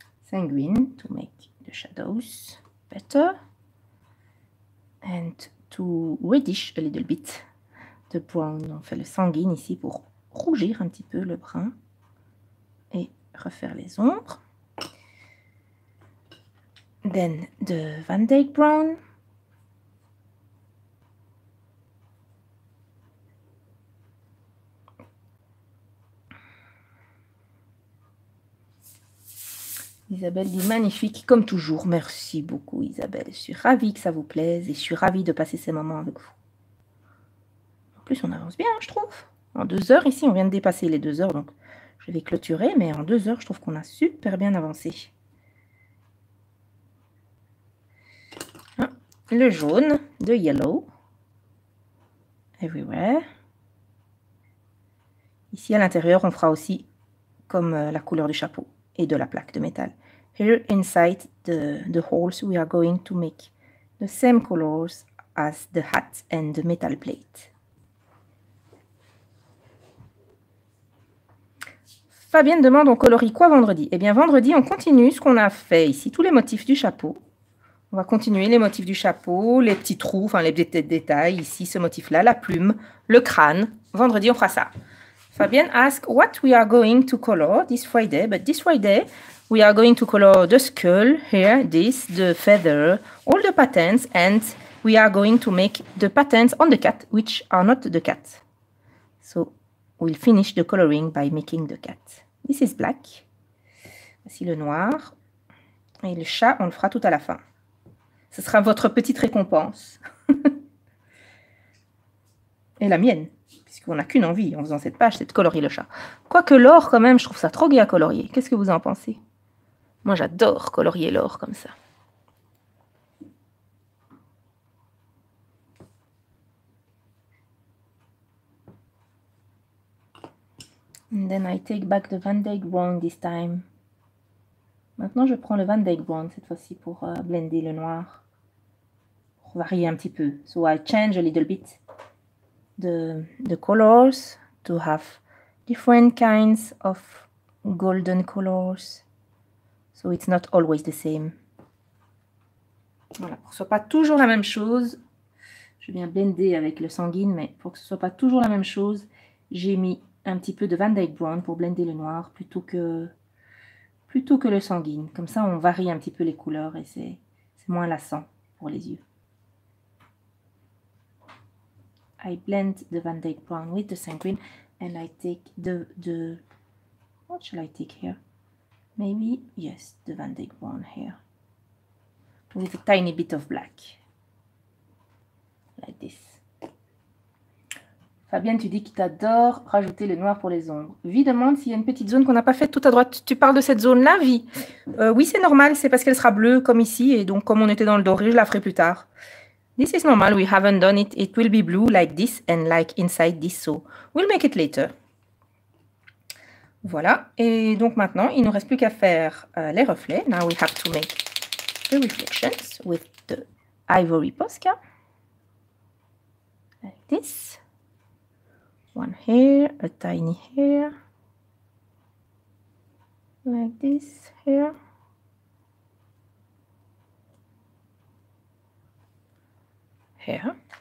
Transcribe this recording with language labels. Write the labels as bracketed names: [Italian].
[English] Sanguine to make the shadows better and to reddish a little bit the brown. [French] On fait le sanguine ici pour rougir un petit peu le brun et refaire les ombres. [English] Then the Van Dyke Brown. [French] Isabelle dit magnifique, comme toujours. Merci beaucoup Isabelle. Je suis ravie que ça vous plaise et je suis ravie de passer ces moments avec vous. En plus, on avance bien, je trouve. En 2 heures ici, on vient de dépasser les 2 heures, donc je vais clôturer. Mais en 2 heures, je trouve qu'on a super bien avancé. Le jaune, [English] the yellow. Everywhere. [French] Ici, à l'intérieur, on fera aussi comme la couleur du chapeau et de la plaque de métal. [English] Here inside the holes, we are going to make the same colors as the hat and the metal plate. [French] Fabienne demande, on colorie quoi vendredi? Eh bien, vendredi, on continue ce qu'on a fait ici, tous les motifs du chapeau. On va continuer les motifs du chapeau, les petits trous, enfin les petits détails ici, ce motif-là, la plume, le crâne. Vendredi, on fera ça. [English] Fabienne ask, what we are going to color this Friday? But this Friday, we are going to color the skull, here, this, the feather, all the patterns, and we are going to make the patterns on the cat, which are not the cat. So, we'll finish the coloring by making the cat. This is black. [French] Voici le noir. Et le chat, on le fera tout à la fin. Ce sera votre petite récompense. Et la mienne. Puisqu'on n'a qu'une envie en faisant cette page, c'est de colorier le chat. Quoique l'or, quand même, je trouve ça trop gai à colorier. Qu'est-ce que vous en pensez? Moi, j'adore colorier l'or comme ça. [English] And then I take back the Van Dyke Brown this time. [French] Maintenant, je prends le Van Dyke Brown cette fois-ci pour blender le noir. Pour varier un petit peu. [English] So I change a little bit. the colors, to have different kinds of golden colors. So it's not always the same. [French] Voilà, pour que ce soit pas toujours la même chose, je viens blender avec le sanguine, mais pour que ce soit pas toujours la même chose, j'ai mis un petit peu de Van Dyke Brown pour blender le noir plutôt que le sanguine. Comme ça, on varie un petit peu les couleurs et c'est moins lassant pour les yeux. [English] I blend the Van Dyke Brown with the sanguine and I take the what shall I take here? Maybe, yes, the Van Dyke Brown here. With a tiny bit of black. Like this. [French] Fabienne, tu dis que tu adores rajouter le noir pour les ombres. Vie demande s'il y a une petite zone qu'on n'a pas faite tout à droite. Tu parles de cette zone-là, Vie? Oui, c'est normal. C'est parce qu'elle sera bleue comme ici. Et donc, comme on était dans le doré, je la ferai plus tard. [English] This is normal. We haven't done it. It will be blue like this and like inside this. So, we'll make it later. [French] Voilà. Et donc, maintenant, il ne nous reste plus qu'à faire les reflets. [English] Now, we have to make the reflections with the Ivory Posca. Like this. One here, a tiny here, like this here, here.